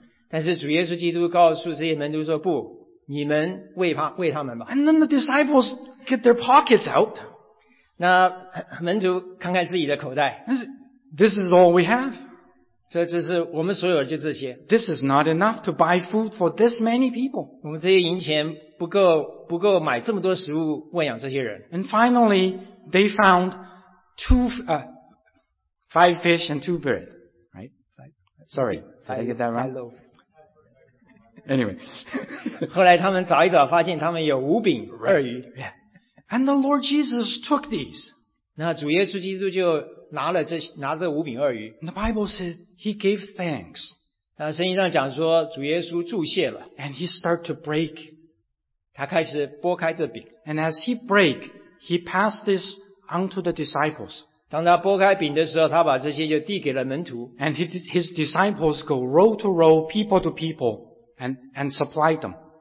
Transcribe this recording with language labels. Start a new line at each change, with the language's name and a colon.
Chinese: 但是主耶稣基督告诉这些门徒说不你们喂他们吧。
English: And then the disciples get their pockets out.
Chinese: 那门徒看看自己的口袋。
English: This is all we have.
Chinese: 这只是我们所有的就这些。
English: This is not enough to buy food for this many people.
Chinese: 我们这些银钱不够买这么多食物喂养这些人。
English: And finally, they found five fish and two bread. Right? Sorry, did I get that wrong? Anyway.
Chinese: 后来他们找一找，发现他们有五饼二鱼。
English: And the Lord Jesus took these.
Chinese: 那主耶稣基督就拿了这五饼二鱼。
English: And the Bible says he gave thanks.
Chinese: 那圣经上讲说主耶稣祝谢了。
English: And he started to break.
Chinese: 他开始拨开这饼。
English: And as he break, he passed this unto the disciples.
Chinese: 当他拨开饼的时候，他把这些就递给了门徒。
English: And his disciples go row to row, people to people, and supply them.